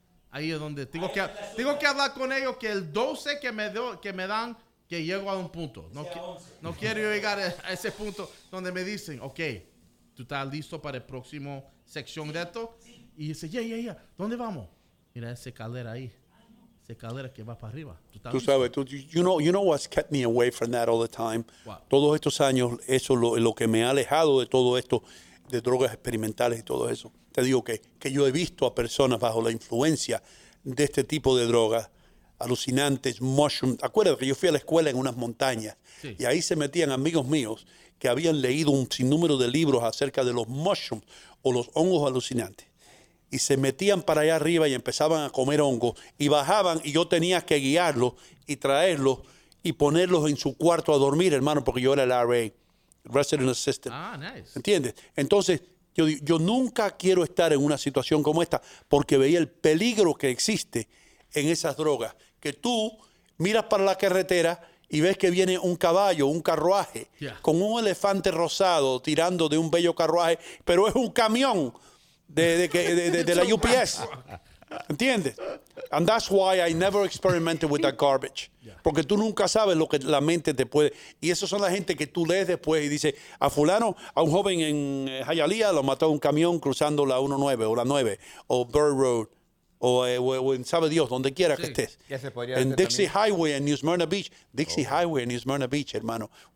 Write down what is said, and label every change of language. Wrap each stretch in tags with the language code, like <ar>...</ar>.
<es>Ahí es donde tengo que hablar con ellos que el 12 que me dan, que llego a un punto. No quiero llegar a ese punto donde me dicen, ok, ¿tú estás listo para el próximo sección de esto? Y dice, ya, ¿dónde vamos? Mira esa escalera ahí, esa escalera que va para arriba. Tú sabes,</es> <en>you know what's kept me away from that all the time. What?</en> <es>Todos estos años, eso es lo que me ha alejado de todo esto, de drogas experimentales y todo eso. Te digo que yo he visto a personas bajo la influencia de este tipo de drogas, alucinantes, mushrooms. Acuérdate que yo fui a la escuela en unas montañas, sí. Y ahí se metían amigos míos que habían leído un sinnúmero de libros acerca de los mushrooms o los hongos alucinantes. Y se metían para allá arriba y empezaban a comer hongos. Y bajaban y yo tenía que guiarlos y traerlos y ponerlos en su cuarto a dormir, hermano, porque yo era el RA, Resident Assistant.</es> <en>Ah, nice.</en> <es>¿Entiendes? Entonces, yo nunca quiero estar en una situación como esta porque veía el peligro que existe en esas drogas. Que tú miras para la carretera y ves que viene un caballo, un carruaje,</es> <en>yeah,</en> <es>con un elefante rosado tirando de un bello carruaje, pero es un camión de la UPS. ¿Entiendes?</es> <en>And that's why I never experimented with that garbage. Yeah.</en> <es>Porque tú nunca sabes lo que la mente te puede. Y esas son la gente que tú lees después y dices, a fulano, a un joven en Hialeah lo mató un camión cruzando la 19 o la 9 o Bird Road. O en sabe Dios, donde quiera, sí, que estés. Ya se podría en Dixie también. Highway, en New Smyrna Beach. Dixie, oh, Highway, en New Smyrna Beach, hermano.</es>